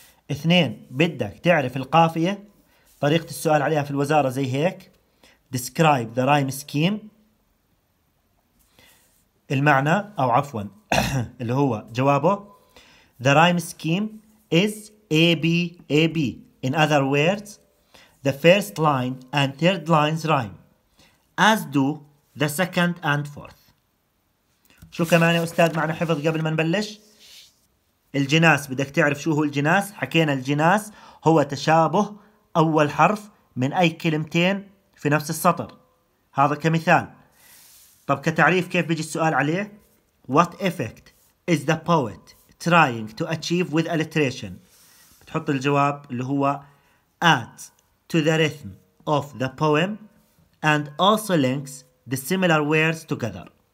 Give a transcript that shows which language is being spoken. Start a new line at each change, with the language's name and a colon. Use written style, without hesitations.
Arabic: اثنين، بدك تعرف القافية، طريقة السؤال عليها في الوزارة زي هيك.
English: Describe the rhyme scheme،
Arabic: المعنى أو عفوا اللي هو جوابه.
English: The rhyme scheme is ABAB. In other words, the first line and third lines rhyme, as do the second and fourth.
Arabic: شو كمان يا أستاذ معنى حفظ قبل ما نبلش؟ الجناس، بدك تعرف شو هو الجناس. حكينا الجناس هو تشابه أول حرف من أي كلمتين في نفس السطر، هذا كمثال. طب كتعريف كيف بيجي السؤال عليه؟
English: What effect is the poet trying to achieve with alliteration؟
Arabic: بتحط الجواب اللي هو
English: add to the rhythm of the poem and also links the similar words together.